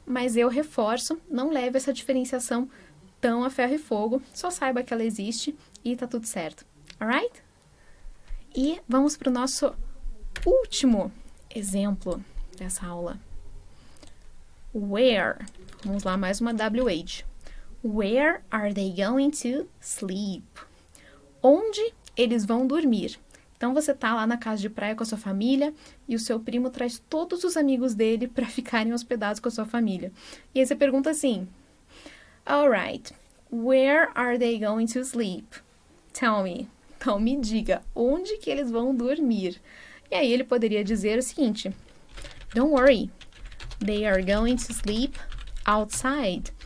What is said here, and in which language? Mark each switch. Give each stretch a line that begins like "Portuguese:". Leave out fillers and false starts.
Portuguese: Mas eu reforço, não leve essa diferenciação tão a ferro e fogo, só saiba que ela existe e tá tudo certo, alright? E vamos para o nosso último exemplo dessa aula. Where, vamos lá, mais uma WH.
English: Where are they going to sleep?
Portuguese: Onde eles vão dormir? Então, você está lá na casa de praia com a sua família e o seu primo traz todos os amigos dele para ficarem hospedados com a sua família. E aí, você pergunta assim,
English: alright, where are they going to sleep? Tell me.
Portuguese: Então, me diga, onde que eles vão dormir? E aí, ele poderia dizer o seguinte,
English: don't worry, they are going to sleep outside.